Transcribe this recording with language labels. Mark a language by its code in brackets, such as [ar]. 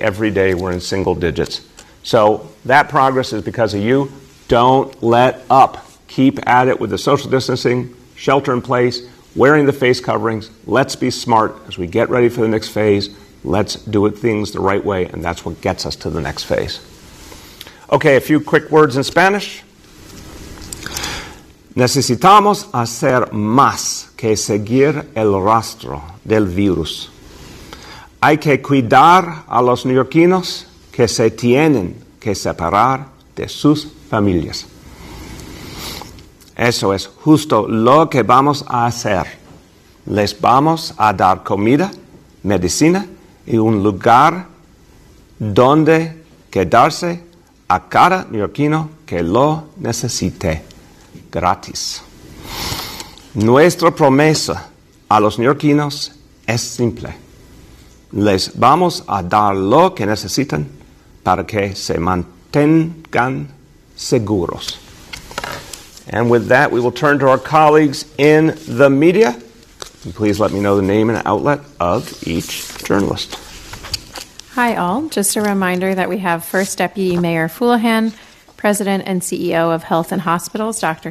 [en] Every day we're in single digits. So that progress is because of you. Don't let up. Keep at it with the social distancing, shelter in place, wearing the face coverings. Let's be smart as we get ready for the next phase. Let's do things the right way, and that's what gets us to the next phase. Okay, a few quick words in Spanish. [es] Necesitamos hacer más que seguir el rastro del virus. Hay que cuidar a los neoyorquinos que se tienen que separar de sus familias. Eso es justo lo que vamos a hacer. Les vamos a dar comida, medicina y un lugar donde quedarse a cada neoyorquino que lo necesite. Gratis. Nuestra promesa a los neoyorquinos es simple. Les vamos a dar lo que necesitan para que se mantengan seguros. [en] And with that, we will turn to our colleagues in the media. Please let me know the name and outlet of each journalist. Hi, all. Just a reminder that we have First Deputy Mayor Fulahan, President and CEO of Health and Hospitals, Dr.